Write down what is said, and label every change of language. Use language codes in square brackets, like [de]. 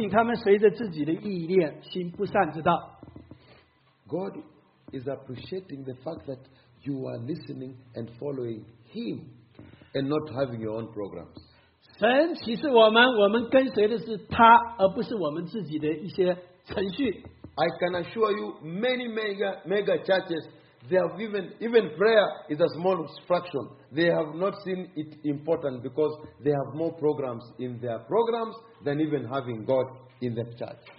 [zh] 那悖逆的百姓，他们随着自己的意念，行不善之道。 [en] God is appreciating the fact that you are listening and following Him and not having your own programs. [zh] 神启示我们，我们跟随的是他，而不是我们自己的一些程序。 [en] I can assure you, many mega churches, they have even prayer is a small fraction. They have not seen it important because they have more programs in their programs than even having God in their church.